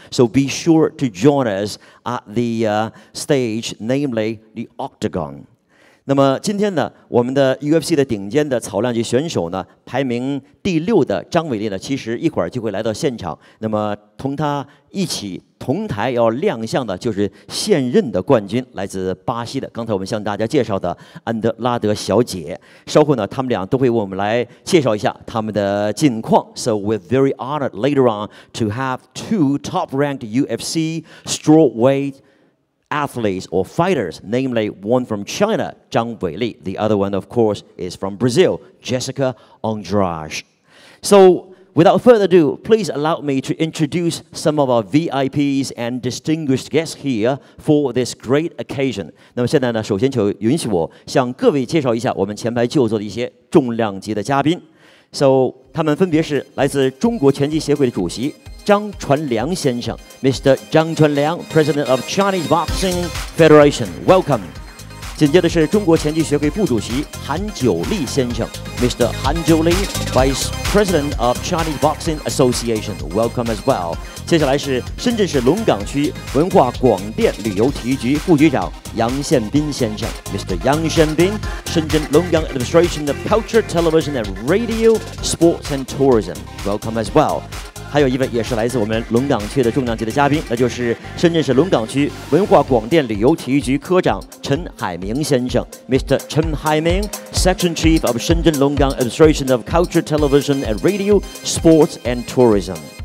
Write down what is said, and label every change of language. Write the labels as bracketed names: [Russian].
[English] So be sure to join us at the stage, namely the octagon. [Chinese] 那么今天呢，我们的 UFC 的顶尖的草量级选手呢，排名第六的张伟丽呢，其实一会儿就会来到现场。那么同他一起同台要亮相的就是现任的冠军，来自巴西的，刚才我们向大家介绍的安德拉德小姐。稍后呢，他们俩都会为我们来介绍一下他们的近况。 [English] So we're very honored later on to have two top-ranked UFC strawweight athletes or fighters, namely one from China, 张伟丽, the other one, of course, is from Brazil, Jessica Andrade. So. Without further ado, please allow me to introduce some of our VIPs and distinguished guests here for this great occasion. [Chinese] 那么现在呢，首先就允许我向各位介绍一下我们前排就座的一些重量级的嘉宾。 So, 他们分别是来自中国拳击协会的主席张传良先生 ，Mr. [English] 张传良 ，President of Chinese Boxing Federation. Welcome. [Chinese] 紧接着是中国拳击协会副主席韩九立先生 ，Mr. [English] 韩九立 ，Vice. President of Chinese Boxing Association, welcome as well. [Chinese] 接下来是深圳市龙岗区文化广电旅游体育局副局长杨宪斌先生 ，Mr. [English] 杨宪斌，深圳龙岗 Administration of Culture, Television and Radio, Sports and Tourism, welcome as well. [Chinese] 还有一位也是来自我们龙岗区的重量级的嘉宾，那就是深圳市龙岗区文化广电旅游体育局科长陈海明先生 ，Mr. [English] 陈海明 ，Section Chief of 深圳龙岗 Administration of Culture, Television. And radio, sports, and tourism.